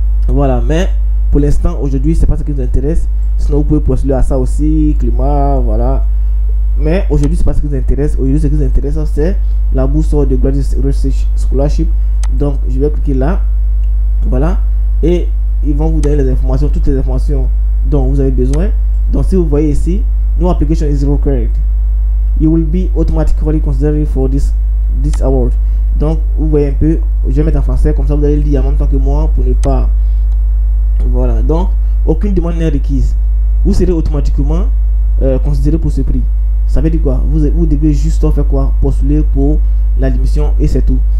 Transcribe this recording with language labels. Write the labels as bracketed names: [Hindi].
[French] Voilà, mais pour l'instant, aujourd'hui, c'est pas ce qui nous intéresse. Sinon, vous pouvez postuler à ça aussi, climat, voilà. Mais aujourd'hui, c'est pas ce qui nous intéresse. Aujourd'hui, ce qui nous intéresse, c'est la bourse de Graduate Research Scholarship. Donc, je vais cliquer là. Voilà. Et ils vont vous donner les informations, toutes les informations dont vous avez besoin. Donc, si vous voyez ici, [English] no application is required. You will be automatically considered for this award. [French] Donc, vous voyez un peu, je vais mettre en français, comme ça vous allez le dire en même temps que moi pour ne pas. Voilà, donc, aucune demande n'est requise. Vous serez automatiquement considéré pour ce prix. Ça veut dire quoi? Vous devez juste faire quoi? Postuler pour l'admission et c'est tout.